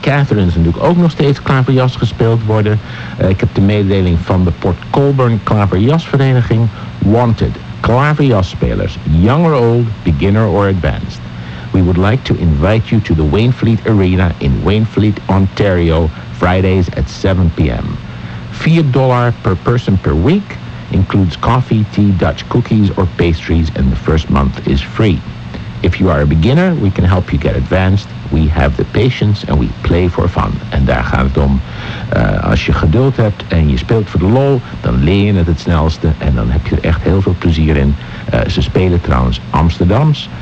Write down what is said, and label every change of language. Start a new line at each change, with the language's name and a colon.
Dutch: Catharines natuurlijk ook nog steeds klaverjas gespeeld worden. Ik heb de mededeling van de Port Colborne Klaverjasvereniging.
English: Wanted. Klaverjas spelers, young or old, beginner or advanced. We would like to invite you to the Wainfleet Arena in Wainfleet, Ontario, Fridays at 7 p.m. $4 per person per week, includes coffee, tea, Dutch cookies or pastries, and the first month is free. If you are a beginner, we can help you get advanced. We have the patience and we play for fun.
Dutch: En daar gaat het om. Als je geduld hebt en je speelt voor de lol, dan leer je het snelste. En dan heb je er echt heel veel plezier in. Ze spelen trouwens Amsterdams.